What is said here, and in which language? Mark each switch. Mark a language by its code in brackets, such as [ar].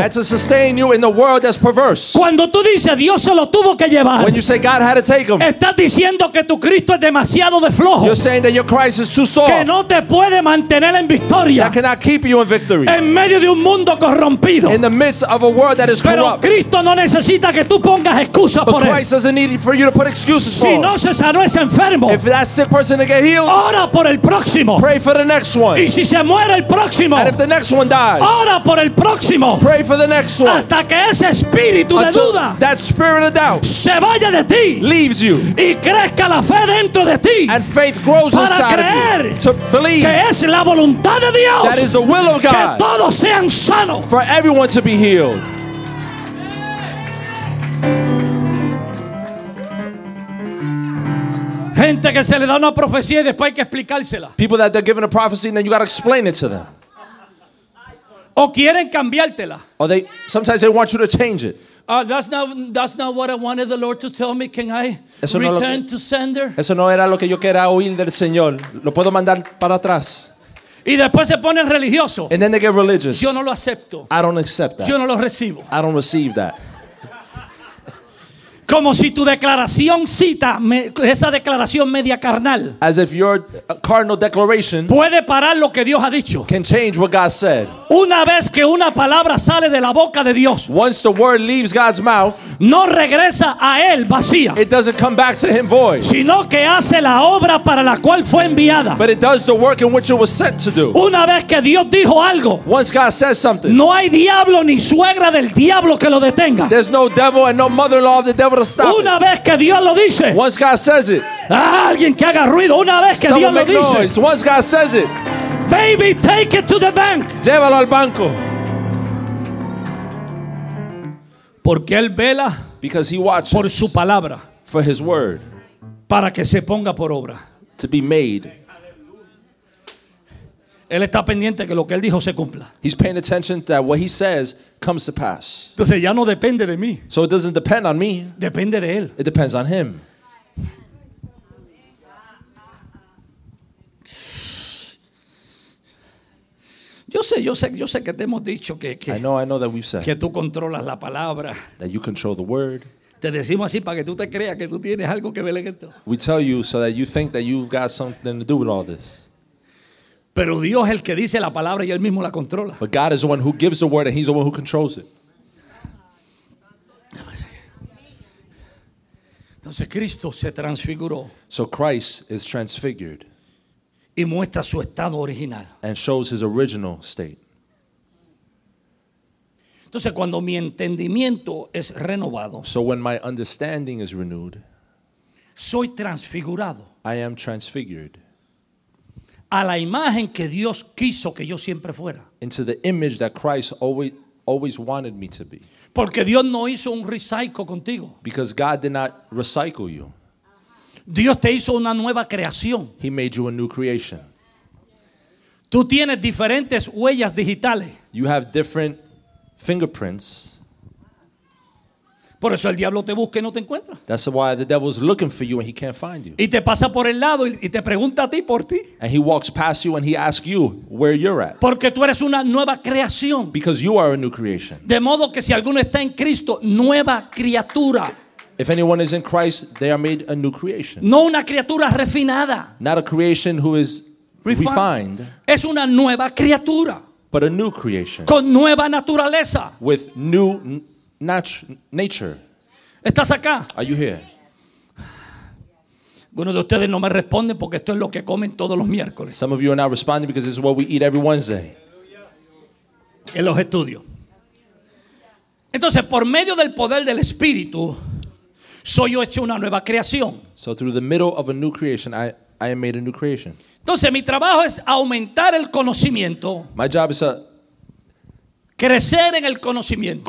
[en] And to sustain you in the world that's perverse. [es] Cuando tú dices, Dios se lo tuvo que llevar, [en] when you say God had to take him, [es] estás diciendo que tu Cristo es demasiado de flojo. [en] You're saying that your Christ is too soft. [es] Que no te puede mantener en victoria. [en] That cannot keep you in victory. [es] En medio de un mundo corrompido. [en] In the midst of a world that is corrupt. [es] Pero Cristo no necesita que tú pongas excusas [en] but [es] por [en] Christ Christ doesn't need for you to put excuses [es] si Si no se sanó ese enfermo. [en] If that sick person to get healed. [es] Ora por el próximo. [en] Pray for the next one. [es] Y si se muere el próximo. [en] And if the next one dies. [es] Ora por el próximo. [en] Pray for the next one. [es] Hasta que ese espíritu de duda. [en] That spirit of doubt. [es] Se vaya de ti. [en] Leaves you. [es] Y crezca la fe dentro de ti. [en] And faith grows [es] para [en] inside [es] creer [en] of you, to believe [es] que es la voluntad de Dios, [en] that is the will of God, [es] que todos sean sanos, [en] for everyone to be healed. [es] Gente que se le da una profecía y después hay que explicársela. [en] People that they're given a prophecy and then you got to explain it to them. [es] O quieren cambiártela. [en] Or they sometimes they want you to change it. That's not what I wanted the Lord to tell me. Can I [es] eso [en] return [es] no que, [en] to sender? [es] Eso no era lo que yo quería oír del Señor. Lo puedo mandar para atrás. Y después se ponen religiosos. [en] And then they get religious. [es] Yo no lo acepto. [en] I don't accept that. [es] Yo no lo recibo. [en] I don't receive that. [es] Como si tu declaración cita esa declaración media carnal. [en] As if your carnal declaration [es] puede parar lo que Dios ha dicho. [en] Can change what God said. [es] Una vez que una palabra sale de la boca de Dios, [en] once the word leaves God's mouth, [es] no regresa a él vacía. [en] It doesn't come back to him void. [es] Sino que hace la obra para la cual fue enviada. [en] But it does the work in which it was sent to do. [es] Una vez que Dios dijo algo, [en] once God says something, [es] no hay diablo ni suegra del diablo que lo detenga. [en] There's no devil and no mother-in-law of the devil. [es] Una vez que Dios lo dice, [en] once God says it, [es] alguien que haga ruido. Una vez que Dios lo dice, [en] noise. Once God says it, baby, take it to the bank. [es] Llévalo al banco. Porque él vela, [en] because he watches, [es] por su palabra, [en] for his word, [es] para que se ponga por obra, [en] to be made. [es] Él está pendiente que lo que él dijo se cumpla. [en] He's paying attention that what he says comes to pass. [es] Entonces ya no depende de mí. [en] So it doesn't depend on me. [es] Depende de él. [en] It depends on him. [es] Yo sé que te hemos dicho que [en] I know that we've said [es] que tú controlas la palabra. [en] That you control the word. [es] Te decimos así para que tú te creas que tú tienes algo que ver en esto. [en] We tell you so that you think that you've got something to do with all this. [es] Pero Dios es el que dice la palabra y él mismo la controla. [en] But God is the one who gives the word and he's the one who controls it. [es] Entonces Cristo se transfiguró. [en] So Christ is transfigured. [es] Y muestra su estado original. [en] And shows his original state. [es] Entonces cuando mi entendimiento es renovado. [en] So when my understanding is renewed. [es] Soy transfigurado. [en] I am transfigured. [es] A la imagen que Dios quiso que yo siempre fuera. [en] Into the image that Christ always wanted me to be. [es] Porque Dios no hizo un recycle contigo. [en] Because God did not recycle you. [es] Dios te hizo una nueva creación. [en] He made you a new creation. [es] Tú tienes diferentes huellas digitales. [en] You have different fingerprints. [es] Por eso el diablo te busca y no te encuentra. [en] That's why the devil is looking for you and he can't find you. [es] Y te pasa por el lado y te pregunta a ti por ti. [en] And he walks past you and he asks you where you're at. [es] Porque tú eres una nueva creación. [en] Because you are a new creation. [es] De modo que si alguno está en Cristo, nueva criatura. [en] If anyone is in Christ, they are made a new creation. [es] No una criatura refinada. [en] Not a creation who is refined. [es] Es una nueva criatura. [en] But a new creation. [es] Con nueva naturaleza. [en] With new nature. [es] ¿Estás acá? [en] Are you here? [es] Algunos de ustedes no me responden porque esto es lo que comen todos los miércoles. [en] Some of you are not responding because this is what we eat every Wednesday. [es] En los estudios. Entonces, por medio del poder del Espíritu, soy yo hecho una nueva creación. [en] So through the middle of a new creation, I am made a new creation. [es] Entonces, mi trabajo es aumentar el conocimiento. [en] My job is to [es] crecer en el conocimiento.